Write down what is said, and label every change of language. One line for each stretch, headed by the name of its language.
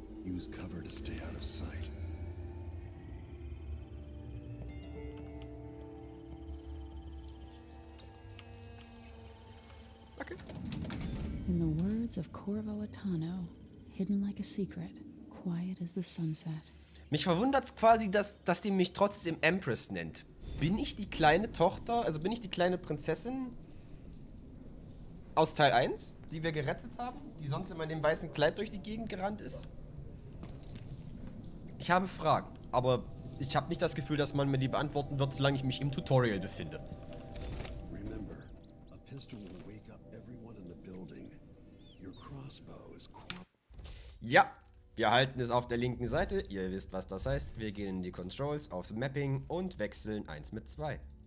English: Use cover to stay out of sight. Okay. In the words of Corvo Atano, hidden like a secret, quiet as the sunset.
German: Mich verwundert's quasi, dass die mich trotzdem Empress nennt. Bin ich die kleine Tochter, also bin ich die kleine Prinzessin aus Teil 1, die wir gerettet haben, die sonst immer in dem weißen Kleid durch die Gegend gerannt ist? Ich habe Fragen, aber ich habe nicht das Gefühl, dass man mir die beantworten wird, solange ich mich im Tutorial befinde.
English: Remember, a pistol will wake up everyone in the building. Your crossbow is quite...
German: Ja, wir halten es auf der linken Seite. Ihr wisst, was das heißt. Wir gehen in die Controls, aufs Mapping und wechseln 1 mit 2.